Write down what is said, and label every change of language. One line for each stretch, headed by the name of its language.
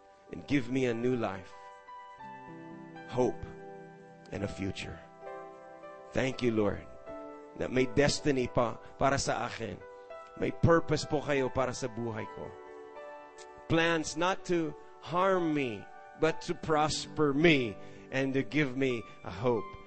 English: And give me a new life, hope, and a future. Thank you, Lord.
Filipino: Na may destiny pa para sa akin. May purpose po kayo para sa buhay ko.
English: Plans not to harm me, but to prosper me and to give me a hope